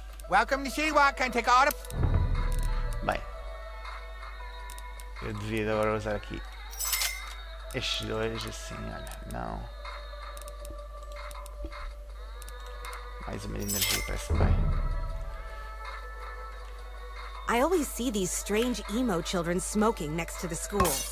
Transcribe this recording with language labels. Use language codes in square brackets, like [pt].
[en] Welcome to Shiwa, can take order. [pt] Bem, eu devia agora usar aqui estes dois assim, olha, não. Mais uma energia, parece bem. [en] I always see these strange emo children smoking next to the school.